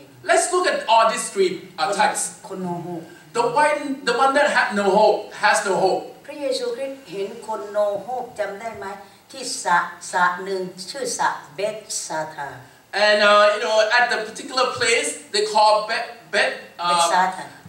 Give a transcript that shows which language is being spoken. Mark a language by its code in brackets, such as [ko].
[en] Let's look at all these three types. The one that has no hope, has no hope. [th] พระเยซูคริสต์เห็นคน [en] no hope [th] จำได้ไหมที่สระหนึ่งชื่อสระเบธซาธา [en] And you know, at the particular place they call Bethsaida.